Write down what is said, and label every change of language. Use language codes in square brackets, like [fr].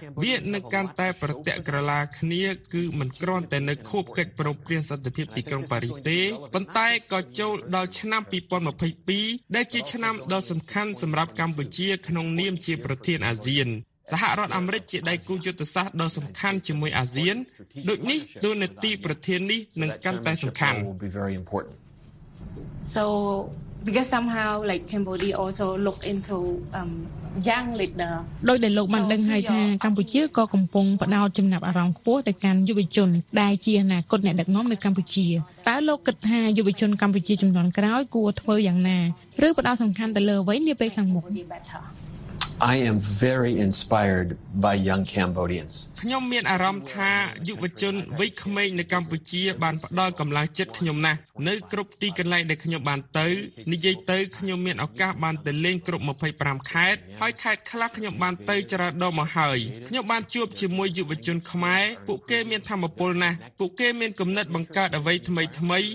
[km] វានឹងកាន់តែប្រតិក្រឡាគ្នាគឺមិនគ្រាន់តែនៅខូបកិច្ចប្រឹងប្រែងសន្តិភាពទីក្រុងប៉ារីសទេប៉ុន្តែក៏ចូលដល់ឆ្នាំ2022ដែលជាឆ្នាំដ៏សំខាន់សម្រាប់កម្ពុជាក្នុងនាមជាប្រធានអាស៊ានសហរដ្ឋអាមេរិកជាដៃគូយុទ្ធសាស្ត្រដ៏សំខាន់ជាមួយអាស៊ានដូច្នេះទូនាទីប្រធាននេះនឹងកាន់តែសំខាន់ [en] So because somehow like Cambodia also look into young leader [km] ដោយដែលលោកបានដឹងហើយថាកម្ពុជាក៏កំពុងផ្ដោតចំណាប់អារម្មណ៍ខ្ពស់ទៅកាន់យុវជនដែលជាអនាគតអ្នកដឹកនាំនៅកម្ពុជាតើលោកគិតថាយុវជនកម្ពុជាជំនាន់ក្រោយគួរធ្វើយ៉ាងណាឬផ្ដោតសំខាន់ទៅលើអ្វីនាពេលខាងមុខ [en] I am very inspired by young Cambodians. [km] ខ្ញុំមានអារម្មណ៍ថាយុវជនវ័យក្មេងនៅកម្ពុជាបានផ្ដល់កម្លាំងចិត្តខ្ញុំណាស់នៅគ្រប់ទីកន្លែងដែលខ្ញុំបានទៅនិយាយទៅខ្ញុំមានឱកាសបានទៅលេងគ្រប់25ខេត្តហើយខេត្តខ្លះខ្ញុំបានទៅច្រើនដងមកហើយខ្ញុំបានជួបជាមួយយុវជនខ្មែរពួកគេមានធម៌ពលណាស់ពួកគេមានគំនិតបង្កើតអ្វីថ្មីថ្មី